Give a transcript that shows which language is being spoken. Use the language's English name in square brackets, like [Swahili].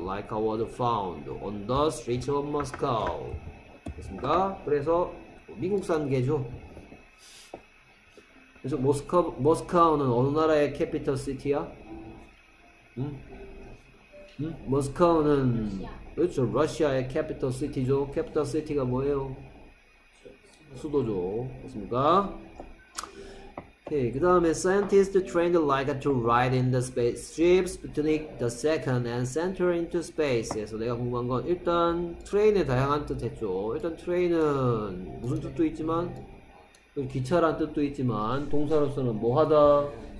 [English] Laika was found on the streets of Moscow. [Korean] 됐습니까? 그래서 미국산 개죠. 그래서 모스크바는 어느 나라의 캐피털 시티야? 모스크바는 그렇죠. 러시아의 캐피털 시티죠. 캐피털 시티가 뭐예요? 수도죠. 맞습니까? 오케이. 그 다음에 [English] scientists trained Laika to ride in the space ships Sputnik the second and sent her into space. [Korean] 그래서 내가 궁금한 건 일단 트레인의 다양한 뜻 했죠. 일단 트레인은 무슨 뜻도 있지만 기차란 뜻도 있지만 동사로서는 뭐 하다?